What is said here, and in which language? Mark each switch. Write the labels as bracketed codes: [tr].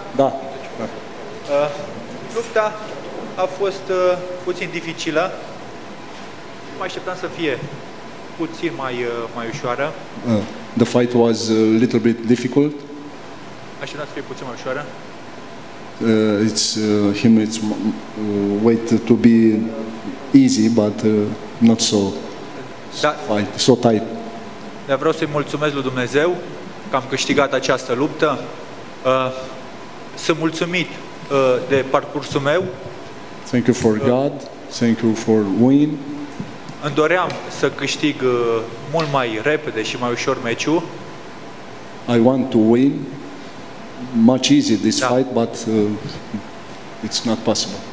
[ro] Da. Lupta a fost puțin dificilă. Mă așteptam să fie puțin mai ușoară. [en] The fight was a little bit difficult. [ro] Așteptam să fie puțin mai ușoară. [en] It's weight to be easy, but not so. [ro] Da. [en] Fight so tight. [ro] Dar vreau să-i mulțumesc lui Dumnezeu că am câștigat această luptă. Sunt mulțumit de parcursul meu. [en] Thank you for God. Thank you for win. [ro] Îmi doream să câștig mult mai repede și mai ușor meciul. [en] I want to win much easier this fight, but it's not possible.